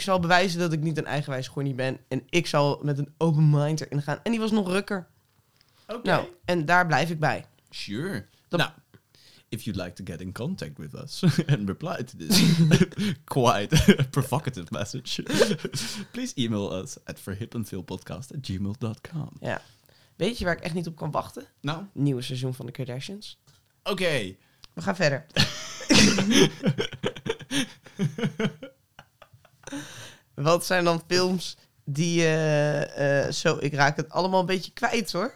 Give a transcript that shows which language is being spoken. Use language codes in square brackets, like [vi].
[nl] zal bewijzen dat ik niet een eigenwijs gornie ben. En ik zal met een open mind erin gaan. En die was nog Rutger. Oké. Nou, en daar blijf ik bij. [en] Sure. If you'd like to get in contact with us and reply to this quite provocative message, please email us at forhipandfeelpodcast@gmail.com. [nl] Ja. Weet je waar ik echt niet op kan wachten? Nou? Nieuwe seizoen van de Kardashians. Oké. We gaan verder. Wat zijn dan films die... ik raak het allemaal een beetje kwijt, hoor.